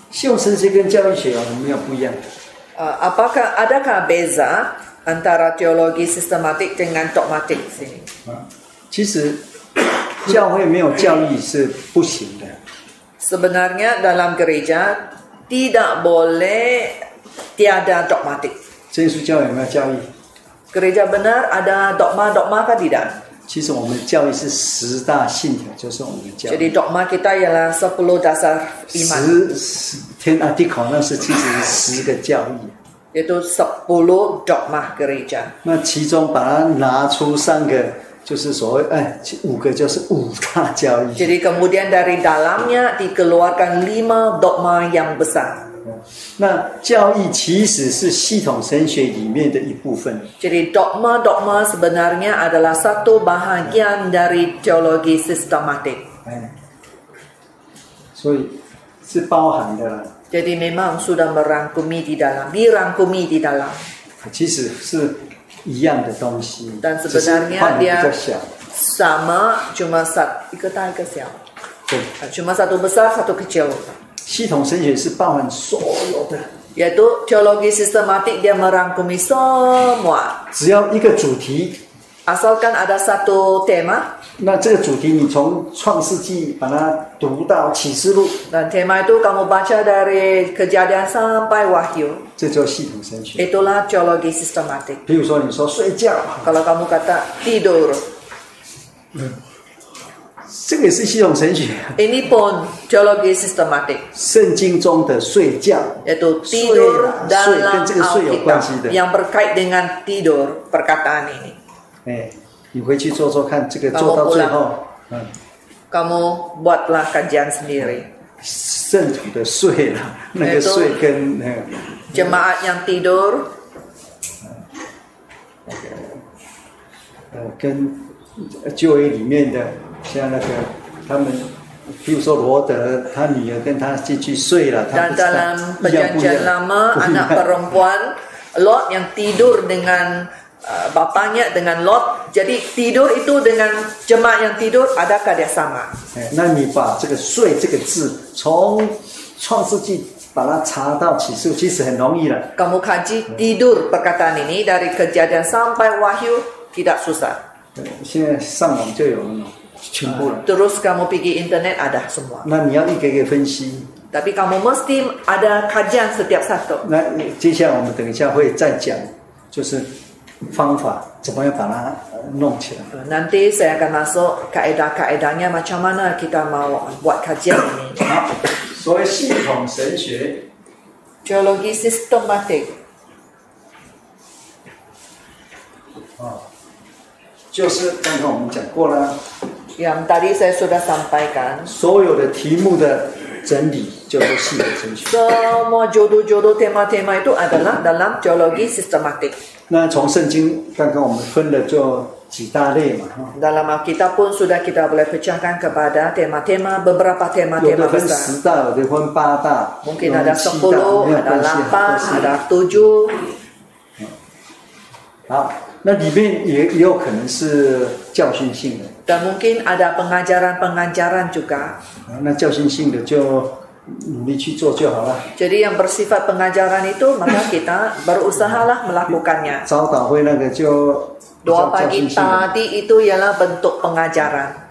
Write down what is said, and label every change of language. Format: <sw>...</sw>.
<zh>系统神学跟教义学有什么不一样？</zh> <ms>apakah adakah beza antara teologi sistematik dengan dogmatik sini?</ms> <zh>其实教会没有教义是不行的。</zh> <ms>Sebenarnya dalam gereja tidak boleh tiada dogmatik.</ms> <zh>耶稣教有没有教义？</zh> <ms>Gereja benar ada dogma-dogma kah tidak？</ms> <zh>其实我们教义是十大信条，就是我们的教义。</zh> <ms>Jadi dogma kita ialah sepuluh dasar iman. 10 artikel</ms> <zh>那是其实十个教义。</zh> <ms>Yaitu sepuluh dogma gereja.</ms> <zh>那其中把它拿出三个，就是所谓哎，五个就是五大教义。</zh> <ms>Jadi kemudian dari dalamnya dikeluarkan lima dogma yang besar.</ms> <zh>那教义其实是系统神学里面的一部分。</zh> <ms>Jadi dogma-dogma sebenarnya adalah satu bahagian dari teologi sistematik.</ms> <zh>所以是包含的。</zh> <ms>Jadi memang sudah merangkumi di dalam, dirangkumi di dalam.</ms> <zh>其实是一样的东西。</zh> <ms>Dan sebenarnya dia sama, cuma satu kita ke siapa? Cuma satu besar, satu kecil.</ms> <zh>系统神学是包含所有的，</zh> <ms>yaitu teologi sistematik dia merangkumi semua.</ms> <zh>只要一个主题，</zh> <ms>asalkan ada satu tema.</ms> <zh>那这个主题你从创世纪把它读到启示录，</zh> <ms>dan tema itu kamu baca dari kejadian sampai wahyu.</ms> <zh>这就系统神学，</zh> <ms>itulah teologi sistematik.</ms> <zh>比如说你说睡觉，</zh> <ms>kalau kamu kata tidur.</ms> <zh>这个也是系统神学。</zh> <ms>Ini pun teologi sistematik.</ms> <zh>圣经中的睡觉，</zh> <ms>yaitu tidur dalam Alkitab yang berkait dengan tidur perkataan ini.</ms> <zh>你回去做做看，这个做到最后，</zh> <ms>Kamu buatlah kajian sendiri.</ms> <zh>圣徒的睡啦，那个睡跟</zh> <ms>jemaat yang tidur，</ms> <zh>跟旧约里面的。像那个他们比如说罗德他女儿跟他进去睡了他们在</zh> <ms>perjanjian lama,</ms> <zh>一样不一</zh> <ms>样 anak perempuan Lot yang tidur dengan bapaknya dengan Lot jadi tidur itu dengan jemaah yang tidur adakah dia sama</ms> <zh>那你把这个睡这个字从创世纪把它查到启示录其实很容易了</zh> <ms>kamu kaji tidur perkataan ini dari kejadian sampai wahyu tidak susah</ms> <zh>现在上网就有了全部了</zh> <ms>terus kamu pergi internet ada semua</ms> <zh>那你要一个一个分析</zh> <ms>tapi kamu mesti ada kajian setiap satu</ms> <zh>那接下来我们等一下会再讲就是方法怎么样把它弄起来</zh> <ms>nanti saya akan masuk kaedah-kaedahnya macam mana kita mau buat kajian ini</ms> <zh>所谓系统神学</zh> <ms>teologi sistematik、</ms> <zh>就是刚刚我们讲过了</zh> <ms>Yang tadi saya sudah sampaikan.</ms> <zh>所有的题目的整理叫做系统神学。</zh> <ms>Semua judul-judul tema-tema itu adalah dalam teologi sistematik.</ms> <zh>那从圣经刚刚我们分了就几大类嘛。</zh> <ms>Dalam Alkitab pun sudah kita boleh pecahkan kepada tema-tema beberapa tema-tema besar.</ms> <zh>有的分十大，有的分八大。</zh> <ms>Mungkin ada sepuluh, ada lapan, ada tujuh.</ms> <zh>好，那里面也有可能是教训性的。</zh> <ms>Dan mungkin ada pengajaran-pengajaran juga.</ms> <zh>那教训性的就努力去做就好了。</zh> <ms>Jadi yang bersifat pengajaran itu, maka kita berusahalah melakukannya.</ms> <zh>早祷会那个就</zh> <ms>doa pagi tadi itu ialah bentuk pengajaran.</ms>